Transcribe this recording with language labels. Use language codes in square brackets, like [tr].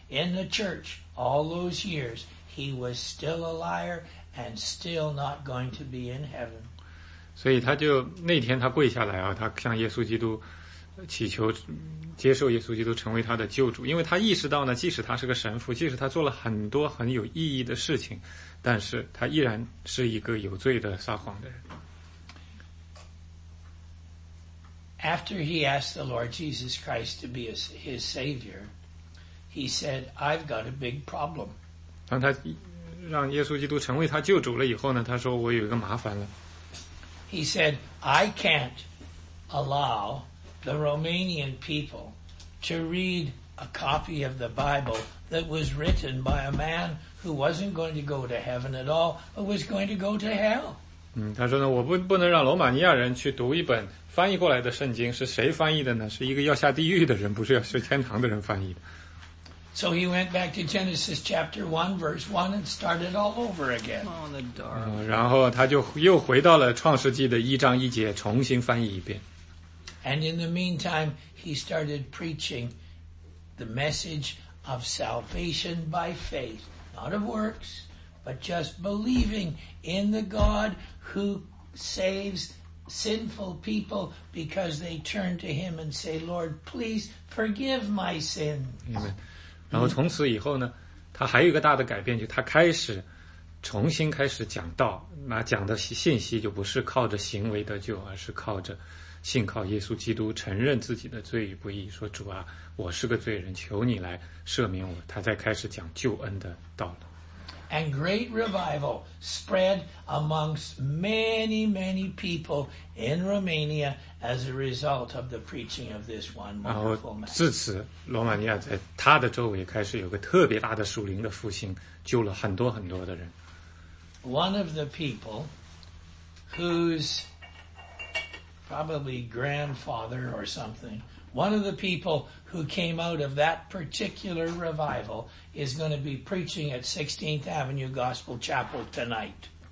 [en] In the church, all those years, he was still a liar and still not going to be in heaven. [zh] 所以他就那天他跪下来啊，他向耶稣基督祈求接受耶稣基督成为他的救主，因为他意识到呢，即使他是个神父，即使他做了很多很有意义的事情，但是他依然是一个有罪的撒谎的人。 [en] After he asked the Lord Jesus Christ to be his savior. He said, I've got a big problem. [zh] 当他让耶稣基督成为他救主了以后呢，他说我有一个麻烦了。 [en] He said, I can't allow the Romanian people to read a copy of the Bible that was written by a man who wasn't going to go to heaven at all, but was going to go to hell. [zh] 他说呢，我不能让罗马尼亚人去读一本翻译过来的圣经，是谁翻译的呢？是一个要下地狱的人，不是要去天堂的人翻译的。 [en] So he went back to Genesis chapter 1, verse 1, and started all over again. Oh, the dark. [zh] 然后他就又回到了创世纪的一章一节，重新翻译一遍。 [en] And in the meantime, he started preaching the message of salvation by faith, not of works, but just believing in the God who saves sinful people because they turn to him and say, Lord, please forgive my sins. Amen. [zh] 然后从此以后呢，他还有一个大的改变，就他开始重新开始讲道，那讲的信息就不是靠着行为得救，而是靠着信靠耶稣基督，承认自己的罪与不义，说主啊，我是个罪人，求你来赦免我，他才开始讲救恩的道了。 [en] And great revival spread amongst many, many people in Romania as a result of the preaching of this one wonderful man. [zh] 自此，罗马尼亚在他的周围开始有个特别大的属灵的复兴，救了很多很多的人。 [en] One of the people whose probably grandfather or something, one of the people who came out of that particular revival is going to be preaching at 16th Avenue Gospel Chapel tonight.